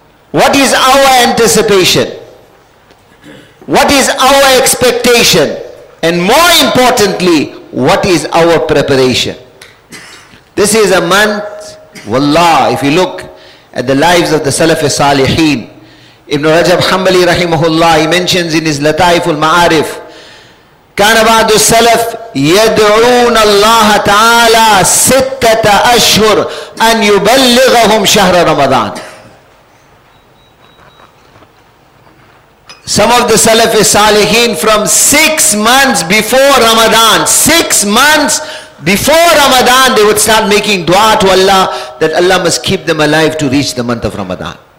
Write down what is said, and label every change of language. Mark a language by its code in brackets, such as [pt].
[en] What is our anticipation? What is our expectation? And more importantly, what is our preparation? This is a month, wallah, if you look at the lives of the Salaf Saliheen. Ibn Rajab Hanbali rahimahullah, he mentions in his Lataiful Ma'arif, [ar] كان بعض السلف يدعون الله تعالى ستة أشهر أن يبلغهم شهر رمضان. [en] Some of the Salaf Saliheen from 6 months before Ramadan, 6 months before Ramadan, they would start making dua to Allah that Allah must keep them alive to reach the month of Ramadan.